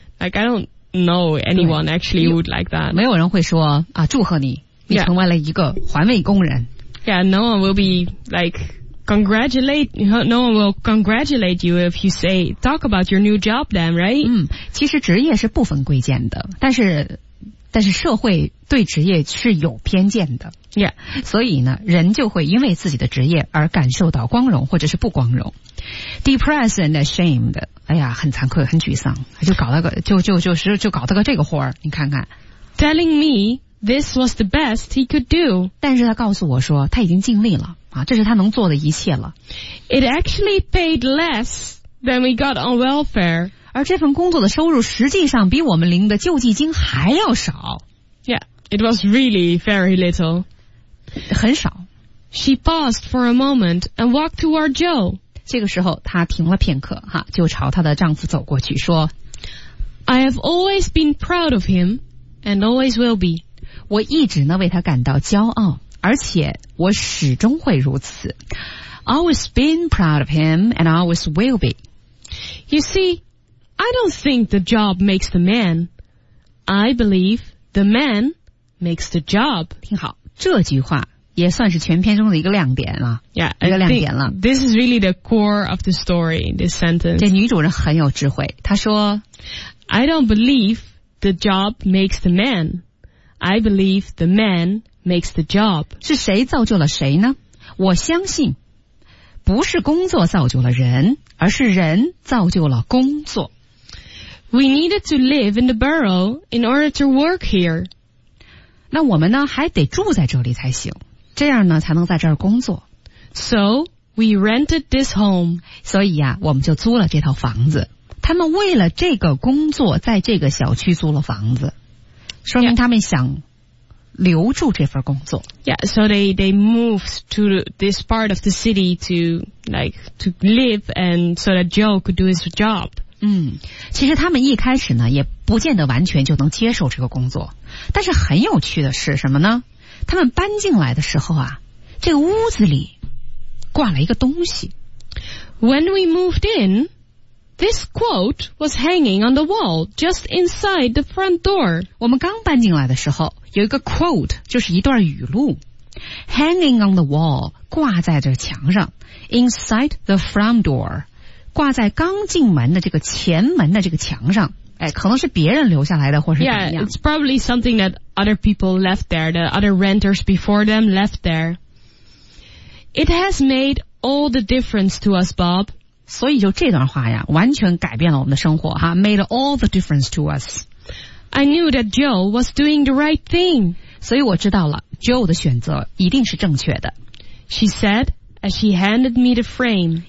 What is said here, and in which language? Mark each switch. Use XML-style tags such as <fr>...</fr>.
<en>Like, I don't know anyone actually would like that.</en> <zh>没有人会说啊，祝贺你，你成为了一个环卫工人。</zh> <en>Yeah, no one will be, like, no one will congratulate you if you say, talk about your new job then, right?</en> <zh>嗯，其实职业是不分贵贱的，但是社会对职业是有偏见的。</zh> <en>Yeah.</en> <zh>所以呢人就会因为自己的职业而感受到光荣或者是不光荣。</zh> <en>Depressed and ashamed.</en> <zh>哎呀很惭愧很沮丧。就搞了个这个活儿你看看。</zh> <en>Telling me this was the best he could do.</en> <zh>但是他告诉我说他已经尽力了啊这是他能做的一切了。</zh> <en>It actually paid less than we got on welfare.</en> <zh>而这份工作的收入实际上比我们领的救济金还要少。</zh> <en>Yeah, it was really very little.</en> <zh>很少。</zh> <en>She paused for a moment and walked toward Joe.</en> <zh>这个时候她停了片刻哈，就朝她的丈夫走过去说</zh> <en>I have always been proud of him and always will be.</en> <zh>我一直呢为他感到骄傲而且我始终会如此。</zh> <en>Always been proud of him and always will be. You see,I don't think the job makes the man. I believe the man makes the job.</en> <zh>听好，这句话也算是全篇中的一个亮点了。</zh> <en>Yeah,</en> <zh>一个亮点了。</zh> <en>This is really the core of the story, this sentence.</en> <zh>这女主人很有智慧，她说</zh> <en>I don't believe the job makes the man. I believe the man makes the job.</en> <zh>是谁造就了谁呢？我相信不是工作造就了人，而是人造就了工作。</zh> <en>We needed to live in the borough in order to work here.</en> <zh>那我们呢还得住在这里才行，这样呢才能在这儿工作。</zh> <en>So we rented this home.</en> <zh>所以啊，我们就租了这套房子。他们为了这个工作，在这个小区租了房子，说明他们想留住这份工作。</zh> <en>Yeah, so they moved to this part of the city to live and so that Joe could do his job.</en> <zh>嗯，其实他们一开始呢也不见得完全就能接受这个工作，但是很有趣的是什么呢？他们搬进来的时候啊，这个屋子里挂了一个东西。</zh> <en>When we moved in, this quote was hanging on the wall just inside the front door.</en> <zh>我们刚搬进来的时候。有一个 quote 就是一段语录</zh> <en>hanging on the wall</en> <zh>挂在这墙上</zh> <en>inside the front door</en> <zh>挂在刚进门的这个前门的这个墙上哎，可能是别人留下来的或是怎么样</zh> <en>Yeah, it's probably something that other people left there the other renters before them left there It has made all the difference to us, Bob</en> <zh>所以就这段话呀完全改变了我们的生活哈</zh> <en>made all the difference to us I knew that Joe was doing the right thing.</en> <zh>所以我知道了 ,Joe 的选择一定是正确的。</zh> <en>She said, as she handed me the frame.</en>